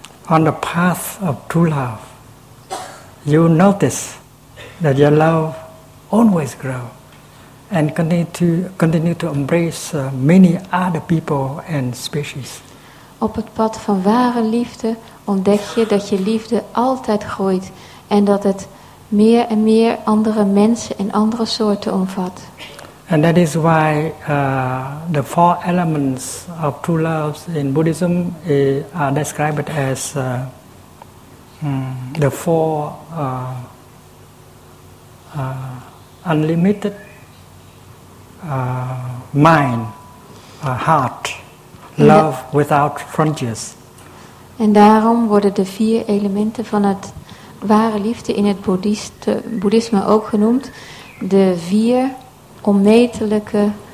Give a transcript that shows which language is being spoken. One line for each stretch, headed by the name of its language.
English: On the path of true love, you notice that your love always grows and continue to embrace many other people and species.
Dutch: Op het pad van ware liefde ontdek je dat je liefde altijd groeit en dat het meer en meer andere mensen en andere soorten omvat.
English: And that is why the four elements of true love in Buddhism are described as the four unlimited mind, heart, love without frontiers.
Dutch: En daarom worden de vier elementen van het ware liefde in het boeddhisme ook genoemd de vier onmetelijke